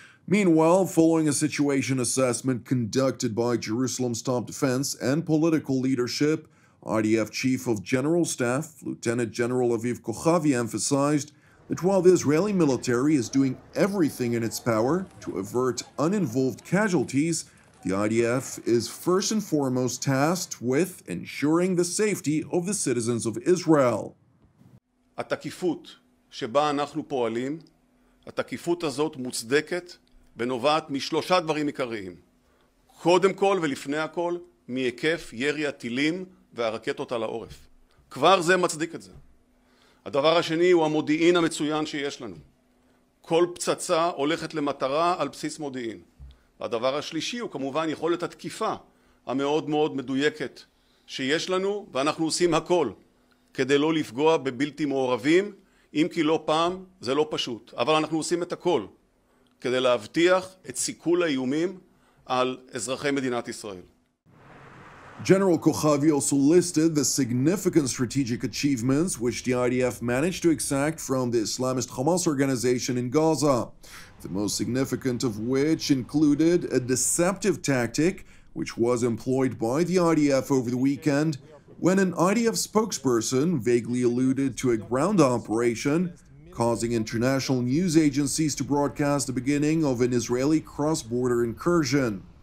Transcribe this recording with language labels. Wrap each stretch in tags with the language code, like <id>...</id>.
<en>Meanwhile, following a situation assessment conducted by Jerusalem's top defense and political leadership, IDF Chief of General Staff, Lieutenant General Aviv Kochavi, emphasized that while the Israeli military is doing everything in its power to avert uninvolved casualties, the IDF is first and foremost tasked with ensuring the safety of the citizens of Israel.</en> <he>התקיפות שבה אנחנו פועלים, התקיפות הזאת מוצדקת בנובעת משלושה דברים עיקריים. קודם כל ולפני הכל, מהיקף ירי הטילים והרקטות על העורף. כבר זה מצדיק את זה. הדבר השני הוא המודיעין המצוין שיש לנו. כל פצצה הולכת למטרה על בסיס מודיעין. הדבר השלישי הוא כמובן יכולת התקיפה המאוד מאוד מדויקת שיש לנו, ואנחנו עושים הכל כדי לא לפגוע בבלתי מעורבים, אם כי לא פעם זה לא פשוט, אבל אנחנו עושים את הכל כדי להבטיח את סיכול האיומים על אזרחי מדינת ישראל.</he> <en>General Kochavi also listed the significant strategic achievements which the IDF managed to exact from the Islamist Hamas organization in Gaza, the most significant of which included a deceptive tactic which was employed by the IDF over the weekend when an IDF spokesperson vaguely alluded to a ground operation, causing international news agencies to broadcast the beginning of an Israeli cross-border incursion.</en>